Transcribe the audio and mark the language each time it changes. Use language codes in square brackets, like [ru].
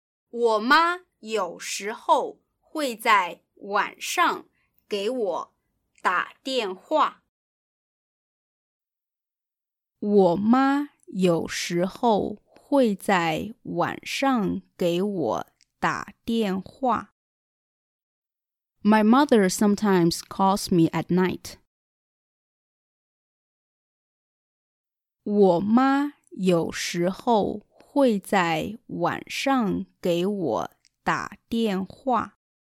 [zh] 我妈有时候会在晚上给我打电话。我妈有时候会在晚上给我打电话。 [en] My mother sometimes calls me at night. [zh] 我妈有时候会在晚上给我打电话。